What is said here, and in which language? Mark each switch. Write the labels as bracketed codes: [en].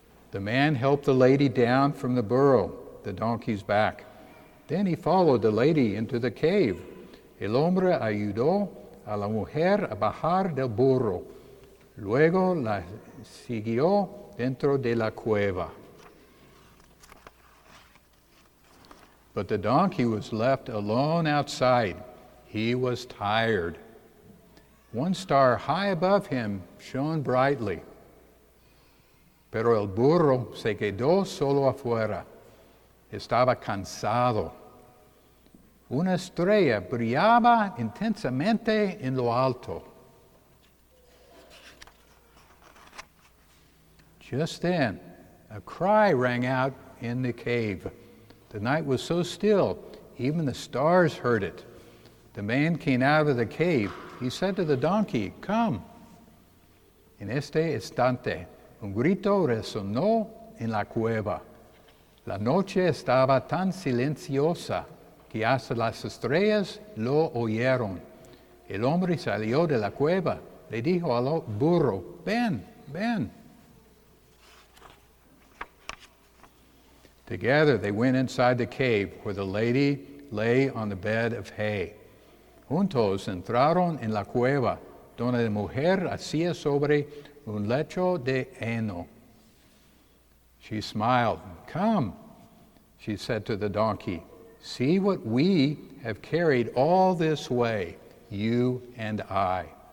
[en] The man helped the lady down from the burro, the donkey's back. Then he followed the lady into the cave. [es] El hombre ayudó a la mujer a bajar del burro. Luego la siguió dentro de la cueva. [en] But the donkey was left alone outside. He was tired. One star high above him shone brightly. [es] Pero el burro se quedó solo afuera. Estaba cansado. Una estrella brillaba intensamente en lo alto. [en] Just then, a cry rang out in the cave. The night was so still, even the stars heard it. The man came out of the cave. He said to the donkey, "Come." [es] En este instante, un grito resonó en la cueva. La noche estaba tan silenciosa que hasta las estrellas lo oyeron. El hombre salió de la cueva. Le dijo al burro, "Ven, ven." [en] Together they went inside the cave where the lady lay on the bed of hay. [es] Juntos entraron en la cueva donde la mujer hacía sobre un lecho de heno. [en] She smiled. "Come," she said to the donkey. "See what we have carried all this way, you and I."